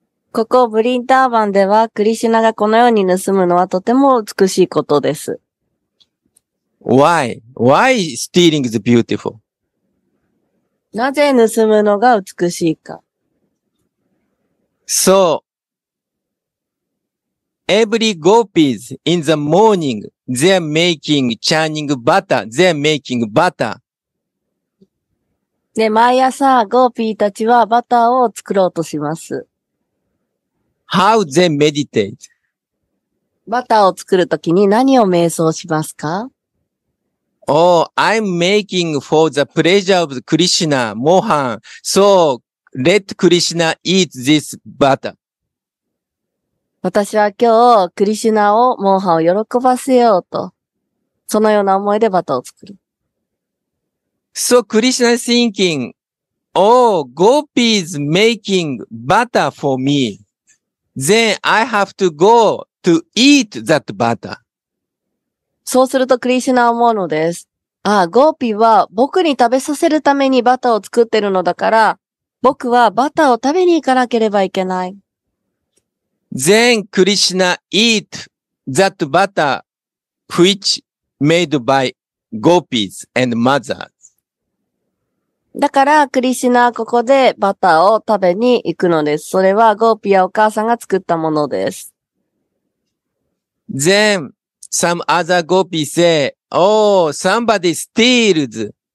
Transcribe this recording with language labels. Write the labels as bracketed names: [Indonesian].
[Japanese] ここブリンターバンではクリシュナがこのように盗むのはとても美しいことです。 [English] Why? Why stealing is beautiful? [Japanese] なぜ盗むのが美しいか。 [English] So, every gopis in the morning, they are making churning butter. They are making butter. [Japanese] で、毎朝、ゴーピーたちはバターを作ろうとします。 [English] How they meditate? [Japanese] バターを作るときに何を瞑想しますか? [English] Oh, I'm making for the pleasure of Krishna, Mohan. So, let Krishna eat this butter. [Japanese] 私は今日、クリシュナを、モーハンを喜ばせようと。そのような思いでバターを作る。 [English] So Krishna is thinking, oh, gopis making butter for me. Then I have to go to eat that butter. [Japanese] そうするとクリシュナは思うのです。ああ、ゴーピーは僕に食べさせるためにバターを作ってるのだから、僕はバターを食べに行かなければいけない。 [English] Then Krishna eat that butter which made by gopis and mothers. [Japanese] だから、クリシュナはここでバターを食べに行くのです。それはゴーピやお母さんが作ったものです。 [English] Then, some other gopi say, Oh, somebody steals.